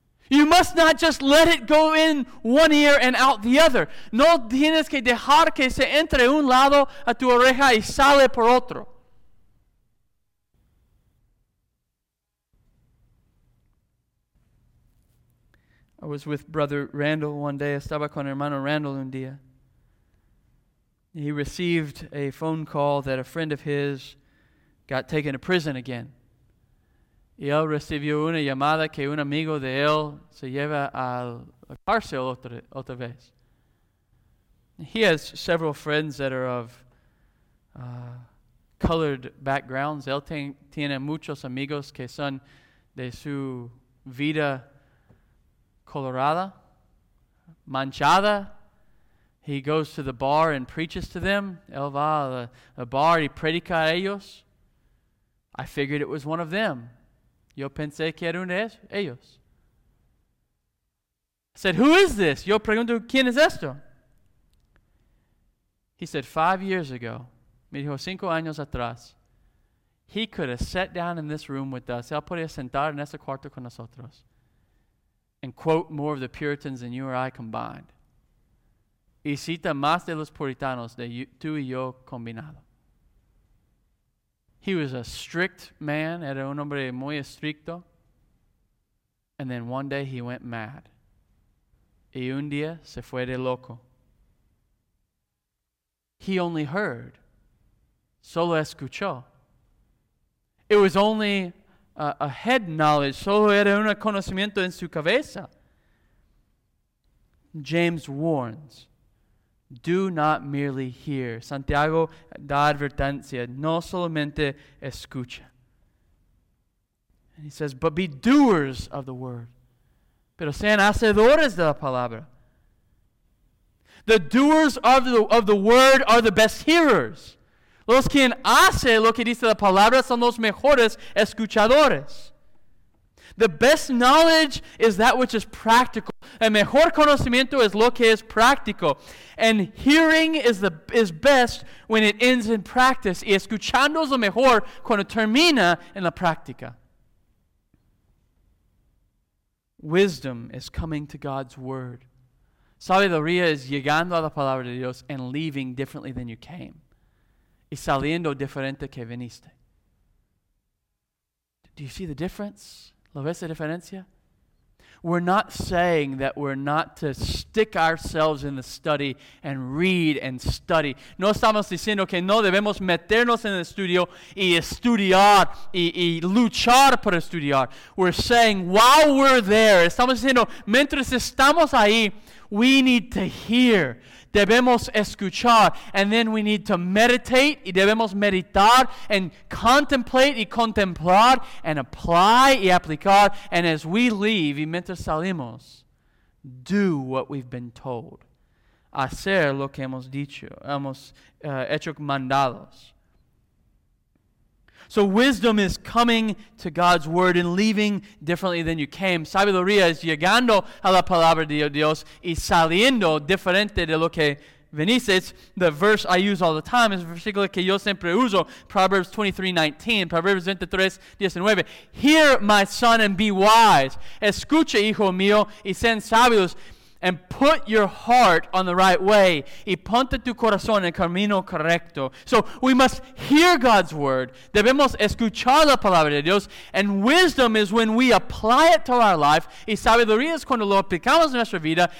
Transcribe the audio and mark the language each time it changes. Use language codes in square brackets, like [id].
[en] You must not just let it go in one ear and out the other. [es] No tienes que dejar que se entre un lado a tu oreja y sale por otro. [en] I was with Brother Randall one day. [es] Estaba con hermano Randall un día. [en] He received a phone call that a friend of his got taken to prison again. [es] Y él recibió una llamada que un amigo de él se lleva a la cárcel otra vez. [en] He has several friends that are of colored backgrounds. [es] Él tiene muchos amigos que son de su vida colorada, manchada. [en] He goes to the bar and preaches to them. [es] Él va a la bar y predica a ellos. [en] I figured it was one of them. [es] Yo pensé que era uno de ellos. [en] I said, who is this? [es] Yo pregunto, ¿quién es esto? [en] He said, 5 years ago, [es] me dijo, 5 años atrás, [en] he could have sat down in this room with us. [es] Él podía sentar en ese cuarto con nosotros. [en] And quote more of the Puritans than you or I combined. [es] Y cita más de los puritanos de tú y yo combinado. [en] He was a strict man, [es] era un hombre muy estricto. [en] And then one day he went mad. [es] Y un día se fue de loco. [en] He only heard. [es] Solo escuchó. [en] It was only a head knowledge, [es] solo era un conocimiento en su cabeza. [en] James warns, do not merely hear. [es] Santiago da advertencia, no solamente escucha. [en] And he says, but be doers of the word. [es] Pero sean hacedores de la palabra. [en] The doers of the word are the best hearers. [es] Los quien hace lo que dice la palabra son los mejores escuchadores. [en] The best knowledge is that which is practical. [es] El mejor conocimiento es lo que es práctico. [en] And hearing is best when it ends in practice. [es] Y escuchando es lo mejor cuando termina en la práctica. [en] Wisdom is coming to God's word. [es] Sabiduría es llegando a la palabra de Dios [en] and leaving differently than you came. [es] Y saliendo diferente que viniste. [en] Do you see the difference? [es] ¿Lo ves la diferencia? [en] We're not saying that we're not to stick ourselves in the study and read and study. [es] No estamos diciendo que no debemos meternos en el estudio y estudiar y luchar por estudiar. [en] We're saying while we're there, [es] estamos diciendo mientras estamos ahí, [en] we need to hear. [es] Debemos escuchar, [en] and then we need to meditate, [es] y debemos meditar, [en] and contemplate, [es] y contemplar, [en] and apply, [es] y aplicar, [en] and as we leave, [es] y mientras salimos, [en] do what we've been told. [es] Hacer lo que hemos dicho, hecho mandados. [en] So wisdom is coming to God's word and leaving differently than you came. [es] Sabiduría es llegando a la palabra de Dios y saliendo diferente de lo que viniste. [en] The verse I use all the time is a [es] versículo que yo siempre uso, [en] Proverbs 23:19. Hear, my son, and be wise. [es] Escucha, hijo mío, y sean sabios. [en] And put your heart on the right way. [es] Y ponte tu corazón en camino correcto. [en] So we must hear God's word. [es] Debemos escuchar la palabra de Dios. [en] And wisdom is when we apply it to our life. [es] Y sabiduría es cuando lo aplicamos en nuestra vida.